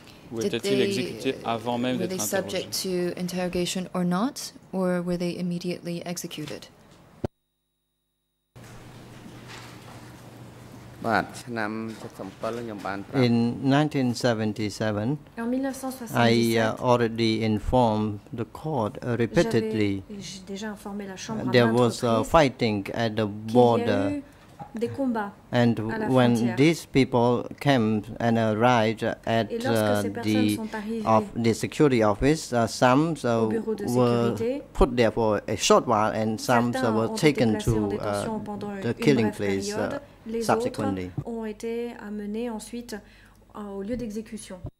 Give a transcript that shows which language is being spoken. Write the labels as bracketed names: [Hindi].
[French] Ou étaient-ils exécutés avant même d'être interrogés? [English] Were they subject to interrogation or not, or were they immediately executed? In 1977, I already informed the court repeatedly there was fighting at the border [French] des combats. [English] And when these people came and arrived at the of the security office, some so were put there for a short while, and some so were taken to the killing place subsequently. [French] Les autres ont été amenés ensuite au lieu d'exécution.